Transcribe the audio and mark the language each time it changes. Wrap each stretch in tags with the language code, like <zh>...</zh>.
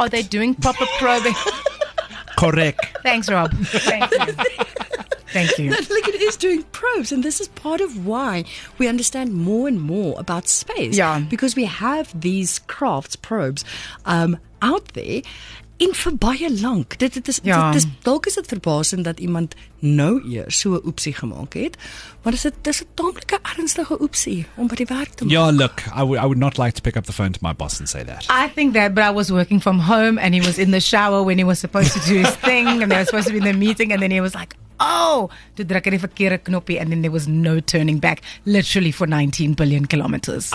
<en>Are they doing proper probing? Correct. Thanks, Rob. Thank you. Look, it is doing probes. And this is part of why we understand more and more about space. Yeah. Because we have these crafts, probes, out there.</en> <af>En vir baie lank, dit is dalk is dit verbasend dat iemand nou eers so 'n oepsie gemaak het, maar dis 'n tamelike ernstige oepsie om by die werk te maak.</af> <en>Ja, look, I would not like to pick up the phone to my boss and say that. I think that, but I was working from home and he was in the shower when he was supposed to do his thing and they were supposed to be in the meeting and then he was like, oh, to</en> <af>druk hy die verkeerde knoppie</af> <en>and then there was no turning back, literally for 19 billion kilometers.</en>